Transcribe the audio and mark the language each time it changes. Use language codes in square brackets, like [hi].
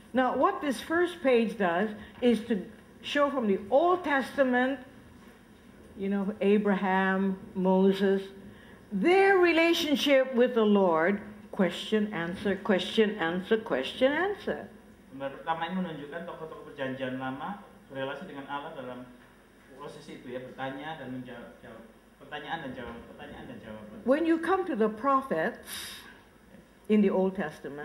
[en] Now, what this first page does is to show from the Old Testament, you know, Abraham, Moses, their relationship with the Lord, question, answer, question, answer, question, answer. [id] Pertama ini menunjukkan tokoh-tokoh perjanjian lama relasi dengan Allah dalam proses itu ya, bertanya dan menjawab, pertanyaan dan jawab, pertanyaan dan jawab. [en] When you come to the prophets in the Old Testament,